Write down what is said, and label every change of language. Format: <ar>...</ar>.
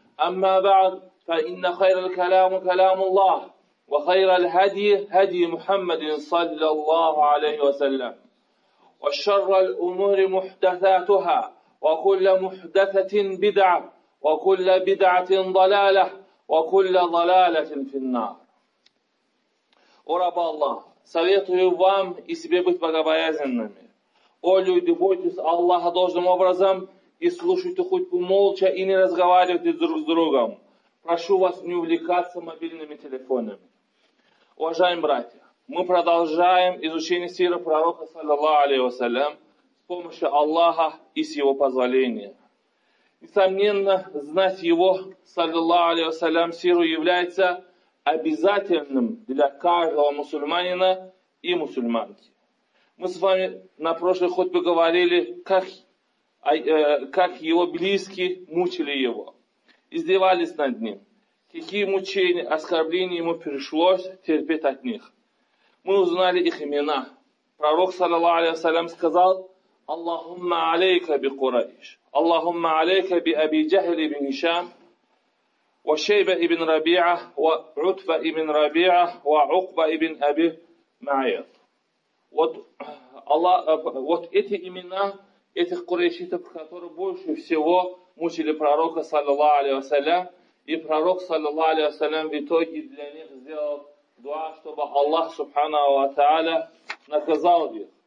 <ar>أما بعد، فإن خير الكلام كلام الله، وخير الهدي هدي محمد صلى الله عليه وسلم، وشر الأمور محدثاتها، وكل محدثة بدعة، وكل بدعة ضلالة، وكل ضلالة في النار. ورب الله</ar> <ru>советую вам и себе быть богобоязненными. О люди, бойтесь Аллаха должным образом и слушайте хутбу молча и не разговаривайте друг с другом. Прошу вас не увлекаться мобильными телефонами. Уважаемые братья, мы продолжаем изучение сиры пророка саллаллаху алейхи ва саллям с помощью Аллаха и с Его позволения. Несомненно, знать Его, саллиллаху алейхи ва саллям, сиру является обязательным для каждого мусульманина и мусульманки. Мы с вами на прошлой хутбе говорили, как Его близкие мучили Его, издевались над Ним, какие мучения, оскорбления Ему пришлось терпеть от них. Мы узнали их имена. Пророк, саллиллаху алейхи ва саллям, сказал:</ru> <ar>اللهم عليك بقريش، اللهم عليك بأبي جهل بن هشام وشيبة ابن ربيعة وعتبة ابن ربيعة وعقبة ابن أبي معيط.</ar> <ru>Вот эти имена этих курайшитов, которые больше всего мучили пророка саллаллаху алейхи ва саллям, и пророк саллаллаху алейхи ва саллям в итоге для них сделал дуа, чтобы Аллах субханаху ва тааля наказал их.</ru>